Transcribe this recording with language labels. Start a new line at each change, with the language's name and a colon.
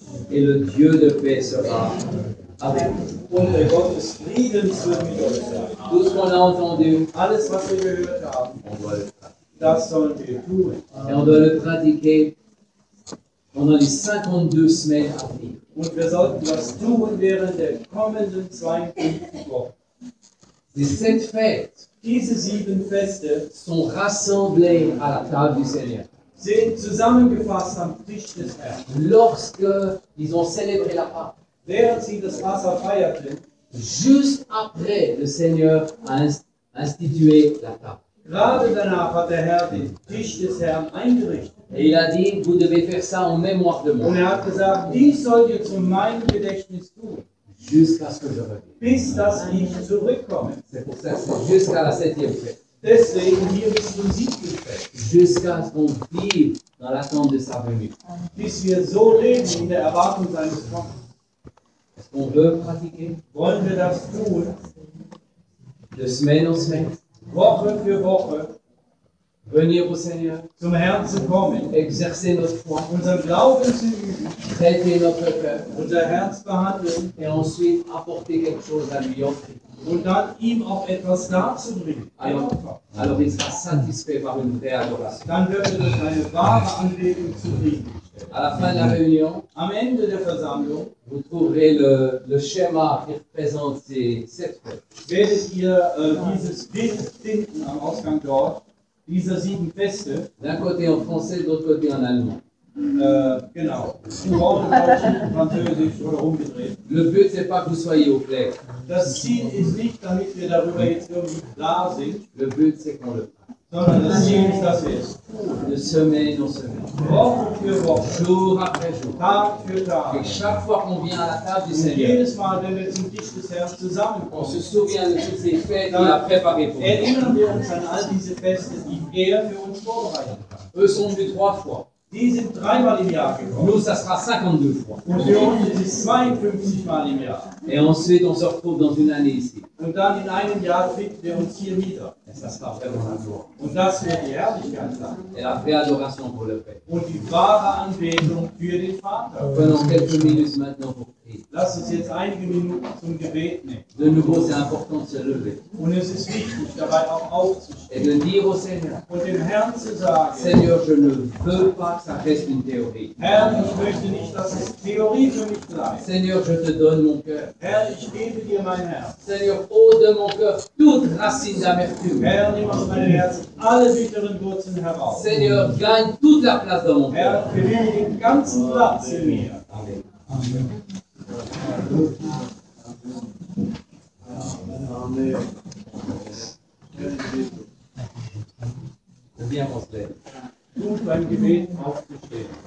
French: Et le Dieu de paix sera avec vous.
German: Und Gottes Frieden wird mit euch sein.
French: Tout ce qu'on a entendu,
German: alles, was wir gehört haben,
French: on doit le
German: das sollen wir tun.
French: Et on doit le pratiquer pendant les 52 semaines à venir.
German: Und wir sollten das tun während der kommenden 52 Wochen. Die 7 Feste, diese 7 Feste
French: sont rassemblées à la table du Seigneur.
German: Sind zusammengefasst am Tisch des Herrn.
French: Lorsque ils ont célébré la Pâque,
German: während sie das Passa feierten,
French: juste après le Seigneur a institué la table.
German: Gerade danach hat der Herr den Tisch des Herrn eingerichtet.
French: Et il a dit, vous devez faire ça en mémoire de moi.
German: Und er hat gesagt, dies sollt ihr zu meinem Gedächtnis tun.
French: Jusqu'à ce que je revienne.
German: Bis dass ich zurückkomme.
French: C'est pour ça que c'est jusqu'à la septième fête.
German: Deswegen hier bis zum siebten Fest.
French: Jusqu'à ce qu'on vive dans l'attente de sa venue.
German: Bis wir so leben in der Erwartung seines Kommens.
French: Est-ce qu'on veut pratiquer?
German: Wollen wir das tun?
French: De semaine en semaine.
German: Woche für Woche.
French: Venir au Seigneur.
German: Zum Herrn zu kommen.
French: Exercer notre foi.
German: Unser Glauben zu üben.
French: Traiter notre cœur.
German: Unser Herz behandeln.
French: Et ensuite apporter quelque chose à lui offrir.
German: Und dann ihm auch etwas darzubringen.
French: Alors il sera satisfait par une vraie adoration.
German: Dann wird er durch eine wahre Anbetung zufrieden.
French: À la fin de la réunion,
German: am Ende der Versammlung,
French: vous trouverez le schéma qui représente ces 7 fêtes.
German: Werdet ihr dieses Bild finden am Ausgang dort, dieser 7 Feste.
French: D'un côté en français, d'autre côté en allemand.
German: Genau. Französisch oder umgedreht.
French: Le but, c'est pas que vous soyez au clair.
German: Das Ziel ist nicht, damit wir darüber jetzt irgendwie klar sind.
French: Le but, c'est qu'on le fasse.
German: Sondern das Ziel ist, dass wir es
French: de semaine en semaine.
German: Woche für Woche.
French: Jour après jour.
German: Tag für Tag.
French: Et chaque fois qu'on vient à la table du Seigneur.
German: Jedes Mal, wenn wir zum Tisch des Herrn zusammenkommen.
French: On se souvient de toutes ces fêtes,
German: die er
French: préparé pour nous.
German: Erinnern wir uns an all diese Feste, die er für uns vorbereitet hat.
French: Eux sont venus trois fois.
German: Die sind dreimal im Jahr gekommen.
French: Nous, ça sera 52 fois.
German: Und für uns ist es 52 Mal im Jahr.
French: Et ensuite, on se retrouve dans une année ici.
German: Und dann in einem Jahr finden wir uns hier wieder.
French: Et ça sera vraiment un jour.
German: Und das wird die Herrlichkeit sein.
French: Et la vraie adoration pour le Père.
German: Und die wahre Anbetung für den Vater.
French: Prenons quelques minutes maintenant pour prier.
German: Lass uns jetzt einige Minuten zum Gebet nehmen.
French: De nouveau, c'est important de se lever.
German: Und es ist wichtig, dabei auch aufzustehen.
French: Et de dire au Seigneur.
German: Und dem Herrn zu sagen.
French: Seigneur, je ne veux pas que ça reste une théorie.
German: Herr, ich möchte nicht, dass es Theorie für mich bleibt.
French: Seigneur, je te donne mon cœur.
German: Herr, ich gebe dir mein Herz.
French: Seigneur, ôte de mon cœur toute racine d'amertume.
German: Herr, nimm aus meinem Herzen alle bitteren Wurzeln heraus.
French: Seigneur, gagne toute la place dans mon cœur.
German: Herr, gewinne den ganzen Platz in mir. Amen. Amen. Amen. Tut beim Gebet aufzustehen.